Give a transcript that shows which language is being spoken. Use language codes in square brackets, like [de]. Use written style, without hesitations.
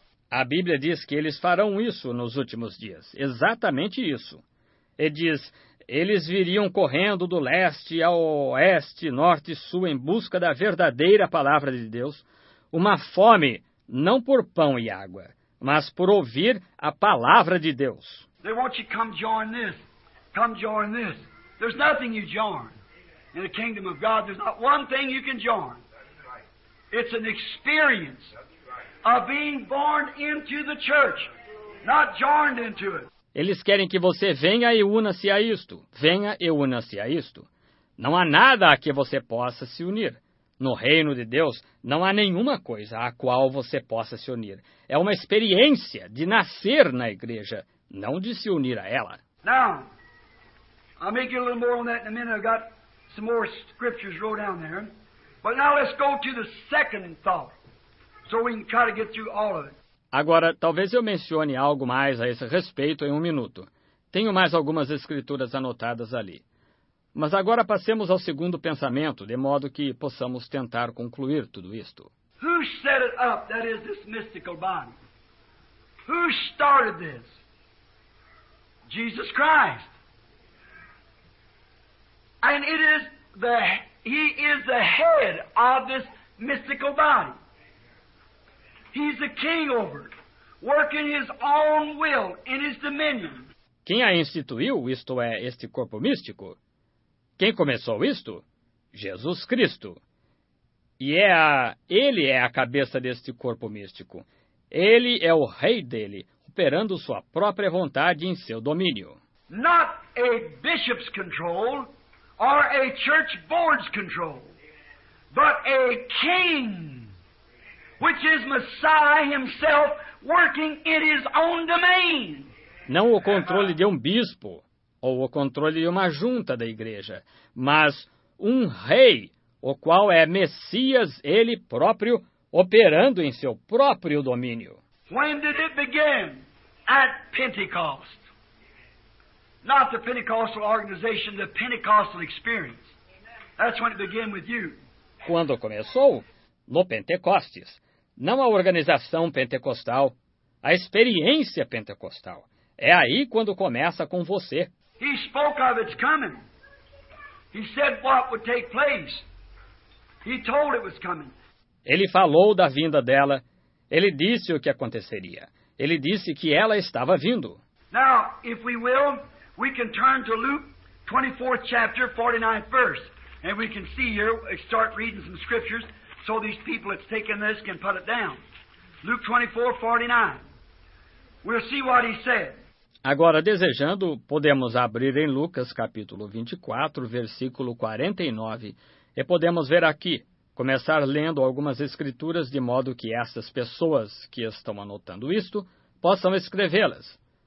[pt] A Bíblia diz que eles farão isso nos últimos dias. Exatamente isso. E diz, Eles viriam correndo do leste ao oeste, norte e sul em busca da verdadeira palavra de Deus. Uma fome, não por pão e água, mas por ouvir a palavra de Deus. [en] They want you to come join this. Come join this. There's nothing you join. In the kingdom of God, there's not one thing you can join. It's an experience of being born into the church, not joined into it. [pt] Eles querem que você venha e una-se a isto. Venha e una-se a isto. Não há nada a que você possa se unir. No reino de Deus, não há nenhuma coisa a qual você possa se unir. É uma experiência de nascer na igreja, não de se unir a ela. [en] Now, I'll make you a little more on that in a minute. I've got some more scriptures wrote down there. But now let's go to the second thought, so we can try to get through all of it. [pt] Agora, talvez eu mencione algo mais a esse respeito em um minuto. Tenho mais algumas escrituras anotadas ali. Mas agora passemos ao segundo pensamento, de modo que possamos tentar concluir tudo isto. [en] Who set it up, that is, this mystical body? Who started this? Jesus Christ. And it is the, he is the head of this mystical body. He's the king over it, working his own will in his dominion. [pt] Quem a instituiu, isto é, este corpo místico? Quem começou isto? Jesus Cristo. E ele é a cabeça deste corpo místico. Ele é o rei dele, operando sua própria vontade em seu domínio. [en] Not a bishop's control or a church board's control, but a king, which is Messiah himself working in his own domain. [pt] Não o controle de bispo ou o controle de uma junta da igreja, mas um rei, o qual é Messias ele próprio, operando em seu próprio domínio. [en] When did it begin? At Pentecost. Not the Pentecostal organization, the Pentecostal experience. That's when it began with you. [pt] Quando começou? No Pentecostes. Não a organização pentecostal, a experiência pentecostal. É aí quando começa com você. [en] He spoke of its coming. He said what would take place. He told it was coming. [pt] Ele falou da vinda dela. Ele disse o que aconteceria. Ele disse que ela estava vindo. [en] Now, if we will, we can turn to Luke 24th chapter, 49th verse. And we can see here, start reading some scriptures, so these people that's taken this can put it down. Luke 24:49. We'll see what he said. [pt] Agora, desejando, podemos abrir em Lucas, capítulo 24, versículo 49, e podemos ver aqui, começar lendo algumas escrituras de modo que essas pessoas que estão anotando isto possam escrevê-las.